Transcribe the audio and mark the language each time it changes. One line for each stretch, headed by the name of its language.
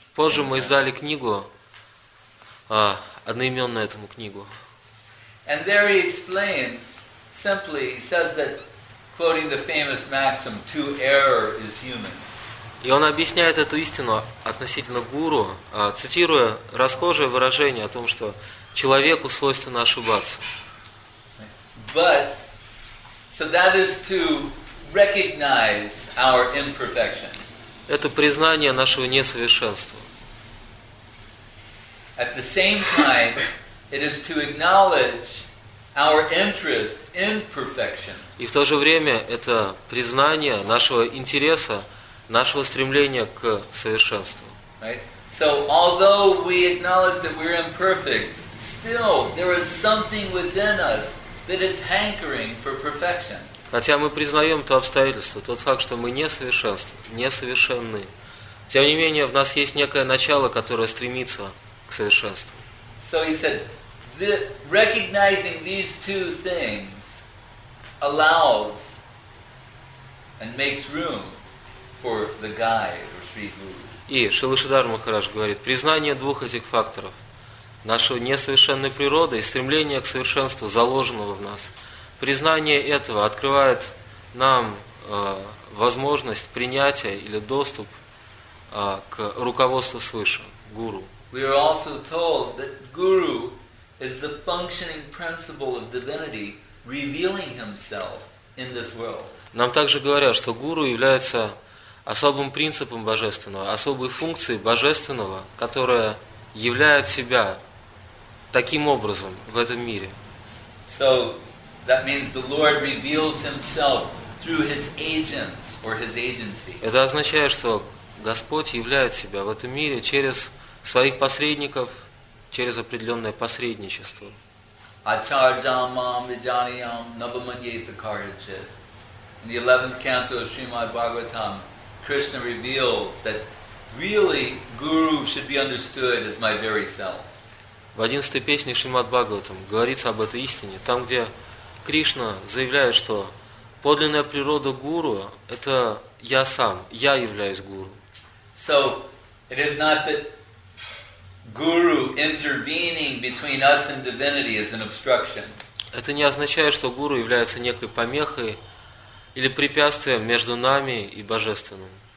Russian: Позже мы издали книгу, одноименную этому книгу.
English: And there he explains, simply, he says that, quoting the famous maxim, "To err is human."
Russian: И он объясняет эту истину относительно гуру, цитируя расхожее выражение о том, что человеку свойственно ошибаться.
English: But, so that is to recognize our imperfection.
Russian: Это признание нашего несовершенства.
English: At the same time, it is to acknowledge our interest in perfection.
Russian: И в то же время это признание нашего интереса, нашего стремления к совершенству.
English: Right? So, although we acknowledge that we're imperfect, still there is something within us that is hankering for perfection.
Russian: Хотя мы признаем то обстоятельство, тот факт, что мы несовершенны, тем не менее в нас есть некое начало, которое стремится к совершенству.
English: So he said, recognizing these two things allows and makes room for the guide or Sri Guru.
Russian: И Шрила Шридхар Махарадж говорит, признание двух этих факторов, нашей несовершенной природы и стремление к совершенству, заложенного в нас, признание этого открывает нам возможность принятия или доступ к руководству свыше, гуру.
English: We are also told that Guru is the functioning principle of divinity revealing himself in this world.
Russian: Нам также говорят, что Гуру является особым принципом Божественного, особой функцией Божественного, которая являет себя таким образом в этом мире.
English: So, that means the Lord reveals himself through his agents or his agency.
Russian: Это означает, что Господь являет себя в этом мире через своих посредников, через определенное посредничество.
Sanskrit: Ачарджамам виджаниям набаманьетакарджит.
English: In the 11th canto of Srimad Bhagavatam, Krishna reveals that really Guru should be understood as my very self.
Russian: В 11th песне Шримад Бхагаватам говорится об этой истине, там, где Кришна заявляет, что подлинная природа Гуру – это я сам, я являюсь Гуру.
English: So, it is not that Guru intervening between us and divinity is an obstruction.
Russian: Это не означает, что Гуру является некой помехой или препятствием между нами и Божественным.